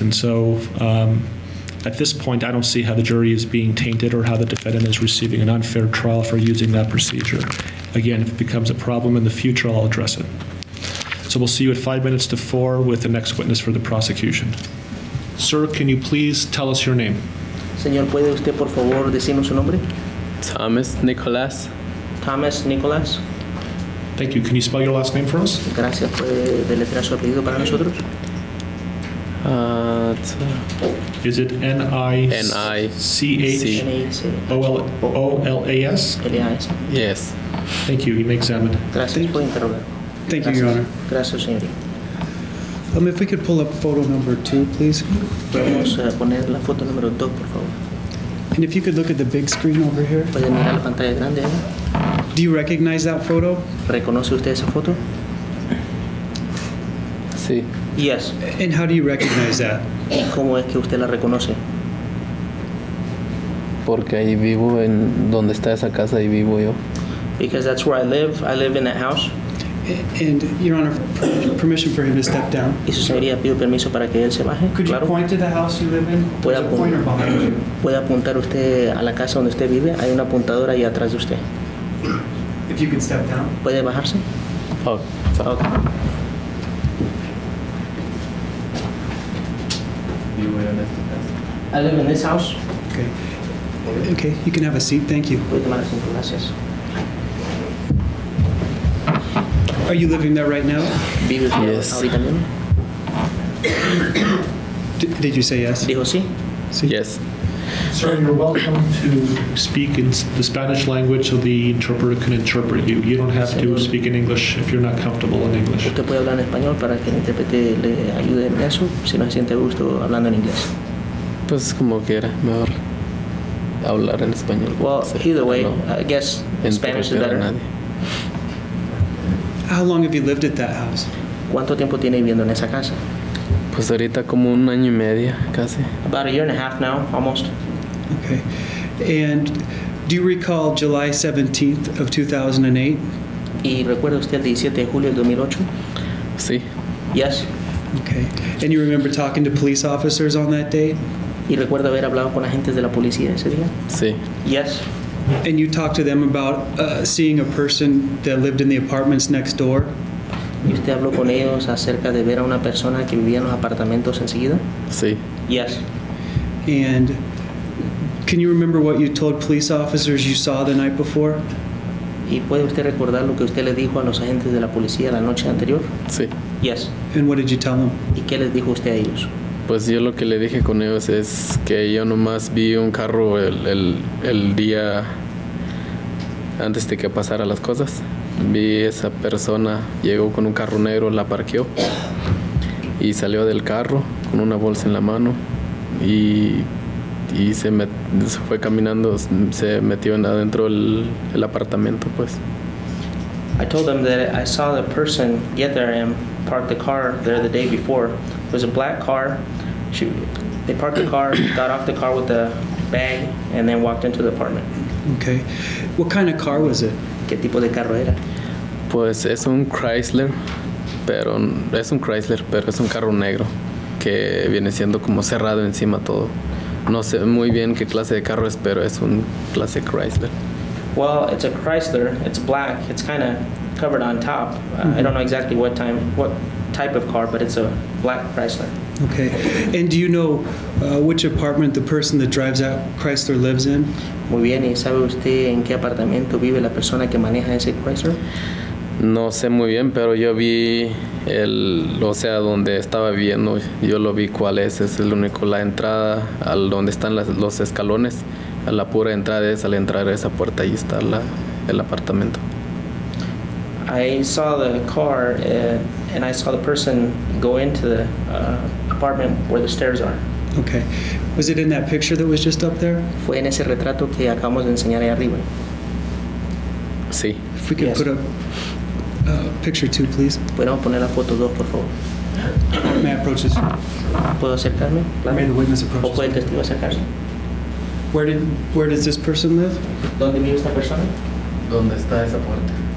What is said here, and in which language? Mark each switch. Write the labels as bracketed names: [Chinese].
[English] And so, at this point, I don't see how the jury is being tainted or how the defendant is receiving an unfair trial for using that procedure. Again, if it becomes a problem in the future, I'll address it. So we'll see you at 5 minutes to four with the next witness for the prosecution. Sir, can you please tell us your name? [Spanish] Señor, ¿puede usted, por favor, decirnos su nombre? Thomas Nicholas. [English] Thomas Nicholas. Thank you. Can you spell your last name for us? [Spanish] Gracias. ¿Puede deletrear su apellido para nosotros? [English] Is it N-I-C-H-O-L-A-S? L-A-S. Yes. Thank you. You may examine. Thank you, Your Honor. [Spanish] Gracias, señor. [English] If we could pull up photo number two, please. [Spanish] Vamos a poner la foto número dos, por favor. [English] And if you could look at the big screen over here. [Spanish] ¿Puede mirar la pantalla grande, eh? [English] Do you recognize that photo? [Spanish] ¿Reconoce usted esa foto? Sí. [English] Yes. And how do you recognize that? [Spanish] ¿Cómo es que usted la reconoce? Porque ahí vivo en donde está esa casa y vivo yo. [English] Because that's where I live. I live in that house. And, Your Honor, permission for him to step down. [Spanish] ¿Y su señoría pido permiso para que él se baje? [English] Could [Spanish] claro. [English] you point to the house you live in? [Spanish] ¿Puede [English] pointer behind you? [Spanish] ¿Puede apuntar usted a la casa donde usted vive? Hay una apuntadora ahí atrás de usted. [English] If you could step down. [Spanish] ¿Puede bajarse? [English] Oh, okay. [Spanish] ¿Vive en este? [English] I live in this house. Okay. Okay, you can have a seat. Thank you. [Spanish] ¿Puede tomar asiento? Gracias. [English] Are you living there right now? Yes. Did you say yes? [Spanish] Dijo sí. Sí. [English] Yes. Sir, you're welcome to speak in the Spanish language so the interpreter can interpret you. You don't have to speak in English if you're not comfortable in English. [Spanish] Usted puede hablar en español para que el intérprete le ayude en eso si no se siente gusto hablando en inglés. Pues como quiera, mejor hablar en español. [English] Well, either way, I guess Spanish is better. How long have you lived at that house? [Spanish] ¿Cuánto tiempo tiene viviendo en esa casa? Pues ahorita como un año y medio, casi. [English] About a year and a half now, almost. Okay. And do you recall July 17th of 2008? [Spanish] ¿Y recuerda usted el 17 de julio del 2008? Sí. [English] Yes. Okay. And you remember talking to police officers on that date? [Spanish] ¿Y recuerda haber hablado con agentes de la policía ese día? Sí. [English] Yes. And you talked to them about seeing a person that lived in the apartments next door? [Spanish] ¿Y usted habló con ellos acerca de ver a una persona que vivía en los apartamentos enseguida? Sí. [English] Yes. And can you remember what you told police officers you saw the night before? [Spanish] ¿Y puede usted recordar lo que usted le dijo a los agentes de la policía la noche anterior? Sí. [English] Yes. And what did you tell them? [Spanish] ¿Y qué les dijo usted a ellos? Pues yo lo que le dije con ellos es que yo nomás vi un carro el día antes de que pasara las cosas. Vi esa persona, llegó con un carro negro, la parqueó y salió del carro con una bolsa en la mano y se fue caminando, se metió en adentro el apartamento, pues. [English] I told them that I saw the person get there and park the car there the day before. It was a black car. They parked the car, got off the car with the bag, and then walked into the apartment. Okay. What kind of car was it? [Spanish] ¿Qué tipo de carro era? Pues es un Chrysler, pero es un carro negro que viene siendo como cerrado encima todo. No sé muy bien qué clase de carro es, pero es un clase Chrysler. [English] Well, it's a Chrysler. It's black. It's kind of covered on top. Mm-hmm. I don't know exactly what type of car, but it's a black Chrysler. Okay. And do you know which apartment the person that drives that Chrysler lives in? [Spanish] Muy bien. ¿Y sabe usted en qué apartamento vive la persona que maneja ese Chrysler? No sé muy bien, pero yo vi donde estaba viviendo. Yo lo vi cuál es. Es el único, la entrada al donde están los escalones. A la pura entrada es al entrar a esa puerta. Ahí está el apartamento. [English] I saw the car and I saw the person go into the apartment where the stairs are. Okay. Was it in that picture that was just up there? [Spanish] Fue en ese retrato que acabamos de enseñar ahí arriba. Sí. [English] If we could put up picture two, please. [Spanish] ¿Podemos poner la foto dos, por favor? [English] May I approach this? [Spanish] ¿Puedo acercarme? [English] Claro. May the witness approach. [Spanish] ¿O puede el testigo acercarse? [English] Where does this person live? [Spanish] ¿Dónde vive esta persona? ¿Dónde está esa puerta?